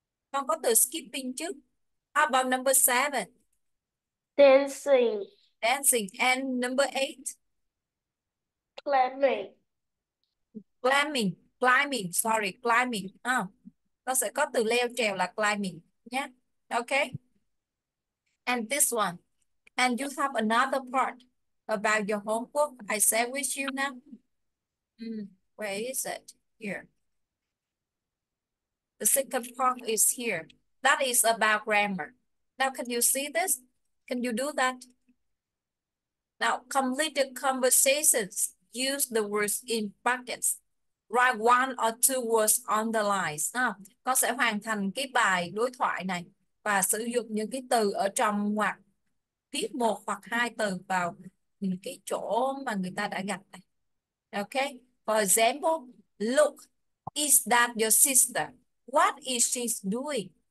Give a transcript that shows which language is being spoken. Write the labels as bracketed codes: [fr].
[vi] Con có từ skipping chứ. [en] How about number seven? Dancing, Dancing. And number climbing, eight? Climbing. Climbing, sorry, climbing. [vi] Nó sẽ có từ leo trèo là climbing nhé. [en] Okay. And this one. And you have another part about your homework I share with you now. Where is it? Here. The second part is here. That is about grammar. Now, can you see this? Can you do that? Now, complete the conversations. Use the words in brackets. Write one or two words on the lines. [vi] Con sẽ hoàn thành cái bài đối thoại này và sử dụng những cái từ ở trong ngoặc, viết một hoặc hai từ vào những cái chỗ mà người ta đã gặp này. [en] Okay. For example, look, is that your sister? What is she doing?